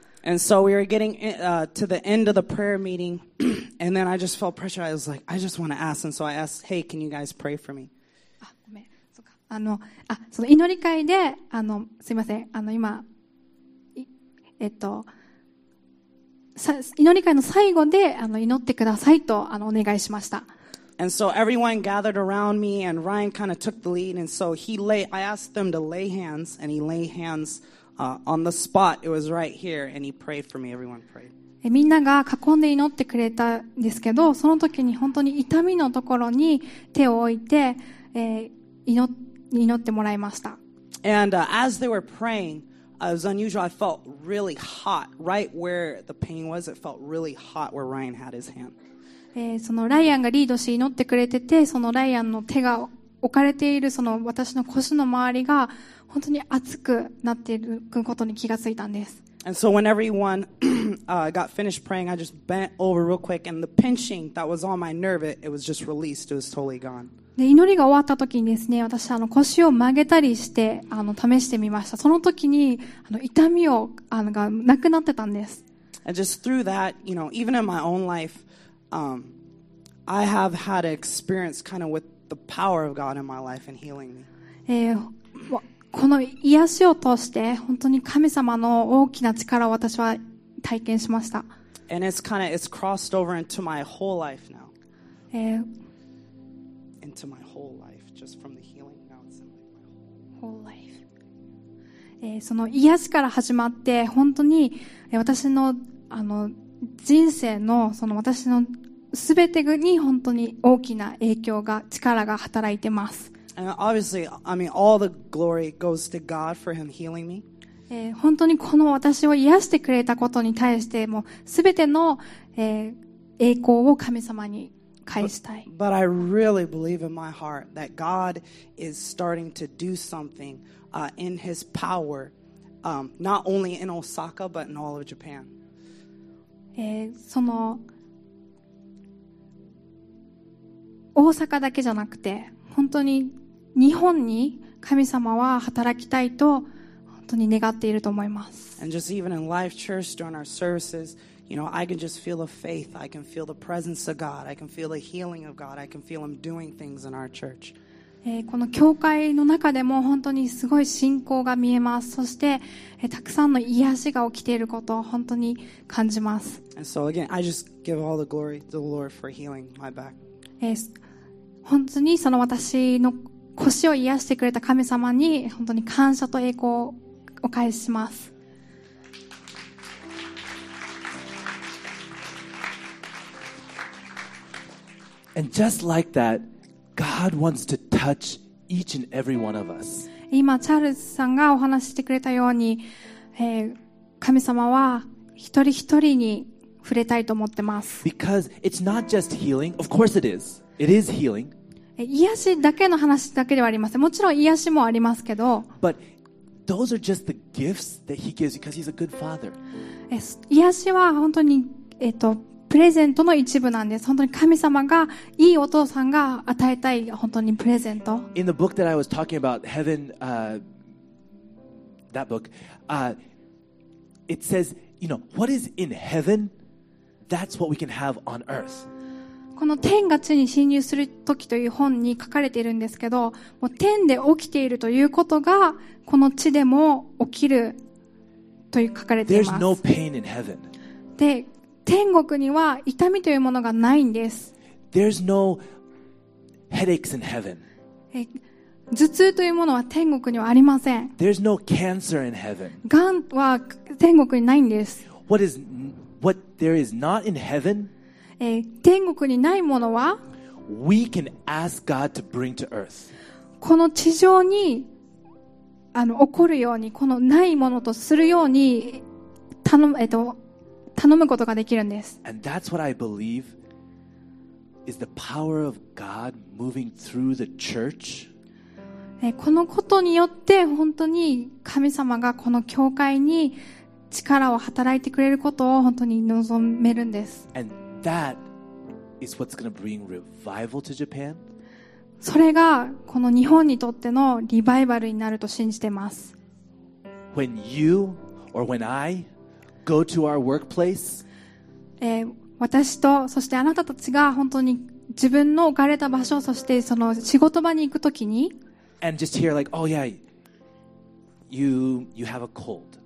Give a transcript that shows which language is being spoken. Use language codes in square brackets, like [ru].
[en] And so we were getting, to the end of the prayer meeting, and then I just felt pressure. I was like, I just want to ask. And so I asked, hey, can you guys pray for me? [ja] あ、ごめん。そうか。その祈り会で、すいません。今、祈り会の最後で祈ってくださいとお願いしました。 [en] And so everyone gathered around me and Ryan kind of took the lead and so he lay, I asked them to lay hands and he lay hands on the spot. It was right here and he prayed for me. Everyone prayed. [ja] みんなが囲んで祈ってくれたんですけど、その時に本当に痛みのところに手を置いて、祈ってもらいました。 [en] And as they were praying,It was unusual. I felt really hot right where the pain was. It felt really hot where Ryan had his hand. [ja] そのライアンがリードし祈ってくれてて、そのライアンの手が置かれているその私の腰の周りが本当に熱くなっていることに気がついたんです。 [en] And so when everyone got finished praying, I just bent over real quick, and the pinching that was on my nerve, it was just released. It was totally gone. [ja] で祈りが終わった時にですね、私腰を曲げたりして試してみました。その時に痛みをがなくなってたんです。 [en] And just through that, you know, even in my own life, I have had experience kind of with the power of God in my life and healing me. [ja] この癒しを通して本当に神様の大きな力を私は体験しました。 [en] And it's kind of it's crossed over into my whole life now. Into my whole life, just from the healing now it's in my whole life. [ja] その癒しから始まって本当に私の人生のその私のすべてに本当に大きな影響が力が働いてます。 [en] And obviously, I mean, all the glory goes to God for Him healing me. [ja] 本当にこの私を癒してくれたことに対してもすべての、栄光を神様に返したい。 [en] But I really believe in my heart that God is starting to do something、in his power、not only in Osaka but in all of Japan、 [ja] その大阪だけじゃなくて本当に日本に神様は働きたいと本当に願っていると思います。 [en] And just even in Life Church during our servicesYou know, I can just feel a faith. I can feel the presence of God. I can feel the healing of God. I can feel Him doing things in our church. [ja] この教会の中でも本当にすごい信仰が見えます。そして、たくさんの癒しが起きていることを本当に感じます。 [en] And so again, I just give all the glory to the Lord for healing my back. [ja] 本当にその私の腰を癒してくれた神様に本当に感謝と栄光をお返しします。 [en] And just like that, God wants to touch each and every one of us. [ja] 今チャールズさんがお話してくれたように、神様は一人一人に触れたいと思ってます。 [en] Because it's not just healing. Of course it is. It is healing. [ja] 癒しだけの話だけではありません。もちろん癒しもありますけど。 [en] But those are just the gifts that he gives because he's a good father. [ja] 癒しは本当に、プレゼントの一部なんです。本当に神様がいいお父さんが与えたい本当にプレゼント。 [en] In the book that I was talking about Heaven、that book、it says you know, what is in heaven that's what we can have on earth。 [ja] この天が地に侵入する時という本に書かれているんですけど、もう天で起きているということがこの地でも起きると書かれています。 [en] There's no pain in heaven。 [ja] で天国には痛みというものがないんです。 [en] There's no headaches in heaven. [ja] 頭痛というものは天国にはありません。 [en] There's no cancer in heaven. [ja] がんは天国にないんです。 [en] What there is not in heaven, [ja] 天国にないものは [en] We can ask God to bring to earth. [ja] この地上に起こるように、このないものとするように頼むことができるんです。 [en] And that's what I believe is the power of God moving through the church. [ja] このことによって本当に神様がこの教会に力を働いてくれることを本当に望めるんです。 [en] And that is what's going to bring revival to Japan. [ja] それがこの日本にとってのリバイバルになると信じてます。 [en] When you or when Igo to our workplace、 [ja] 私とそしてあなたたちが本当に自分の置かれた場所、そしてその仕事場に行くときに、 [en] and just hear like, oh yeah, you have a cold、